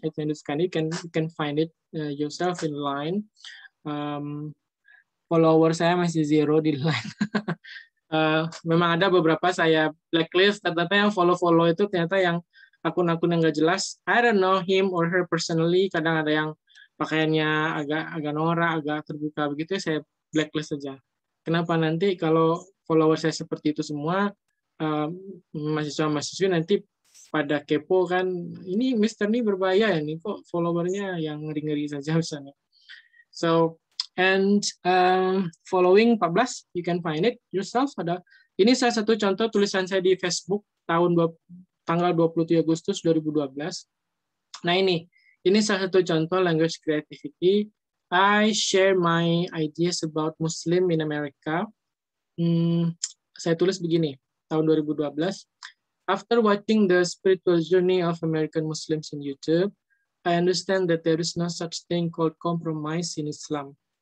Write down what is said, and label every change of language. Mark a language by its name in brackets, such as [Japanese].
[English] I think you can find it yourself in Line. [Indonesian] Follower saya masih zero di Line. memang ada beberapa saya blacklist, ternyata yang follow-follow itu ternyata yang akun-akun yang nggak jelas. [English] I don't know him or her personally. [Indonesian] Kadang ada yang pakaiannya agak norak, agak terbuka begitu, saya blacklist saja. Kenapa nanti kalau follower saya seperti itu semua, mahasiswa-mahasiswa nanti pada kepo kan, ini Mister ini berbahaya ya nih, kok followernya yang ngeri-ngeri saja misalnya. [English] So, and following 14, you can find it yourself. [Indonesian] Ada ini salah satu contoh tulisan saya di Facebook tanggal 27 Agustus 2012. Nah ini salah satu contoh language creativity. [English] I share my ideas about Muslim in America. [Indonesian] Saya tulis begini, tahun 2012. [English] After watching the spiritual journey of American Muslims in YouTube, I understand that there is no such thing called compromise in Islam.